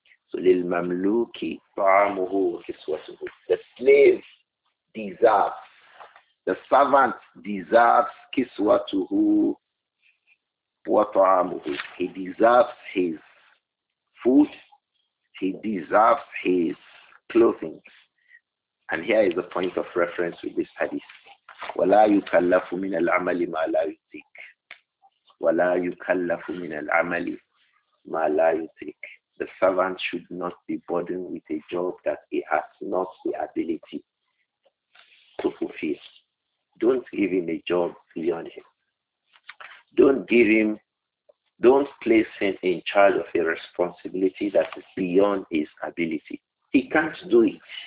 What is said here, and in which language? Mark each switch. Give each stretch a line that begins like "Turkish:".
English: So lil mamluki ta'amuhu wa kiswatuhu. The slave deserves, the servant deserves kiswatuhu wa ta'amuhu. He deserves his food, he deserves his clothing. And here is the point of reference with this hadith. وَلَا يُكَلَّفُ مِنَ الْعَمَلِ مَا لَا يُتِيكُ.
Arabic: ولا يكلف من العمل ما لا يطيق.
English: The servant should not be burdened with a job that he has not the ability to fulfill. Don't give him a job beyond him. Don't place him in charge of a responsibility that is beyond his ability. He can't do it.